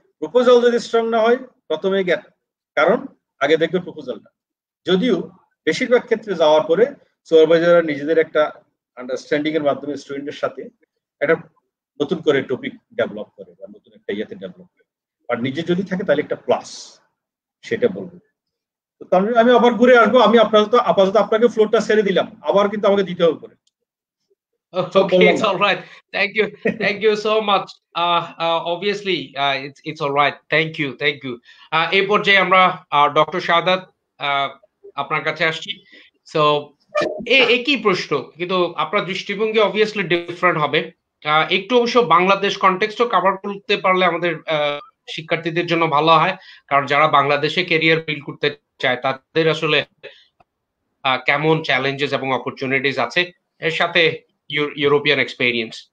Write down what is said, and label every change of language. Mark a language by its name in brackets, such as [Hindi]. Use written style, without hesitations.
[Bangla] Proposal যদি strong না হয় প্রথমে গেট, কারণ আগে দেখবে প্রপোজালটা, যদিও বেশিরভাগ ক্ষেত্রে যাওয়ার পরে সুপারভাইজাররা নিজেদের একটা আন্ডারস্ট্যান্ডিং এর মাধ্যমে স্টুডেন্টের সাথে একটা নতুন করে টপিক ডেভেলপ করে বা নতুন একটা ইয়েতে ডেভেলপ করে, আর নিজে যদি থাকে তাহলে একটা প্লাস সেটা বলবো। তো তাহলে আমি আবার ঘুরে আসবো, আমি আপনার তো আপাতত আপনাকে ফ্লোরটা ছেড়ে দিলাম, আবার কিন্তু আমাকে দিতে হবে পরে। [English] Okay, it's all right. Thank you so much. Obviously, it's all right. Thank you. [Bangla] এই পর্যায়ে আমরা ডক্টর শাহাদাত আপনার কাছে আসছি। সো একই প্রশ্ন, কিন্তু আপনার দৃষ্টিভঙ্গি অবভিয়াসলি ডিফারেন্ট হবে একটু, অবশ্য বাংলাদেশ কনটেক্সটও কভার করতে পারলে আমাদের শিক্ষার্থীদের জন্য ভালো হয়, কারণ যারা বাংলাদেশে ক্যারিয়ার বিল্ড করতে চায় তাদের আসলে কেমন চ্যালেঞ্জেস এবং অপরচুনিটিস আছে, এর সাথে ইউরোপিয়ান এক্সপেরিয়েন্স।